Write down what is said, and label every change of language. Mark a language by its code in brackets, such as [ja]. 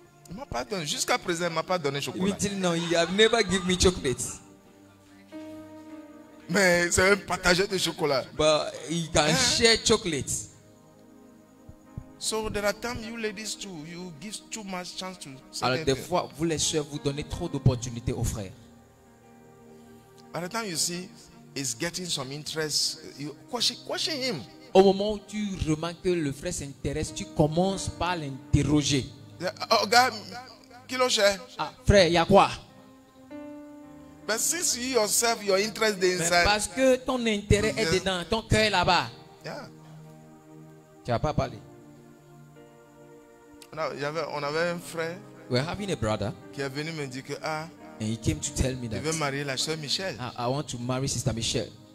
[fr] Il m'a pas donné. Jusqu'à présent, il m'a pas donné chocolat. [en] Until now, he have never give me chocolate. [fr] Mais c'est un partageur de chocolat. [en] But he can share chocolate. So there are times you ladies too, you give too much chance to. [fr] Alors des fois, vous les soeurs, vous donnez trop d'opportunités aux frères. [en] By the time you see, he's getting some interest. You question him. [fr] Au moment où tu remarques que le frère s'intéresse, tu commences par l'interroger. Yeah. Oh, gars, qui l'on cherche? Ah, frère, y a quoi? [en] But since you yourself, your interest is inside. [fr] Mais parce que ton intérêt est dedans, ton cœur est là-bas. [en] Yeah. [fr] Tu n'as pas parlé. On avait un frère. [en] We're having a brother. [fr] Qui est venu me dire que [en] And he came to tell me that. [fr] Je veux marier la sœur Michelle. [en] I want to marry Sister Michelle.